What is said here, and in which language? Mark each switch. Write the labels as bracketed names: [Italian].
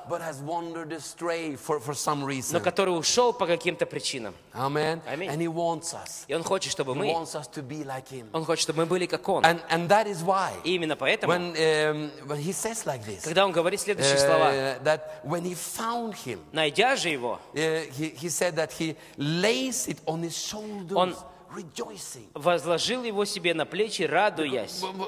[English] but has wandered astray for some reason. [Russian] Но который ушел по каким-то причинам. [English] Amen. [Russian] Аминь. [English] And he wants us. [Russian] И он хочет, чтобы [English] he [Russian] мы. [English] Wants us to be like him. [Russian] Он хочет, чтобы мы были как он. [English] And that is why, [Russian] и именно поэтому, [English] when he says like this, [Russian] когда он говорит следующие слова, [English] that when he found him, [Russian] найдя же его, [English] he said that he lays it on his shoulders, [Russian] он возложил его себе на плечи, радуясь.